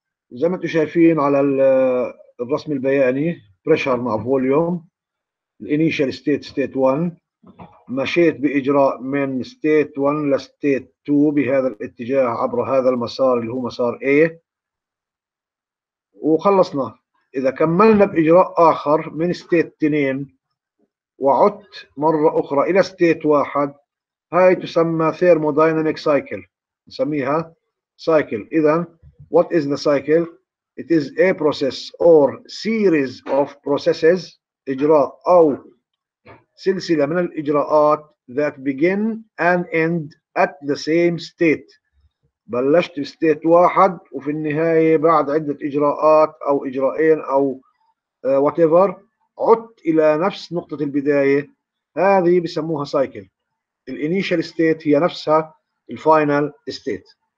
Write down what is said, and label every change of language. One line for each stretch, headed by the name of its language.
Arabic: زي ما انتم شايفين على الرسم البياني، بريشر مع فوليوم، الانيشال ستيت ستيت 1، مشيت باجراء من ستيت 1 لستيت 2 بهذا الاتجاه عبر هذا المسار اللي هو مسار A، وخلصنا. اذا كملنا باجراء اخر من ستيت 2 وعدت مره اخرى الى ستيت 1، هاي تسمى ثيرموداينامك سايكل، نسميها سايكل.
English: اذا what is the cycle? It is a process or series of processes،
Arabic: إجراء أو سلسلة من الإجراءات،
English: that begin and end at the same state.
Arabic: بلشت في state واحد وفي النهاية بعد عدة إجراءات أو إجراءين أو whatever عدت إلى نفس نقطة البداية، هذه بسموها cycle.
English: The initial state
Arabic: هي نفسها
English: the final state.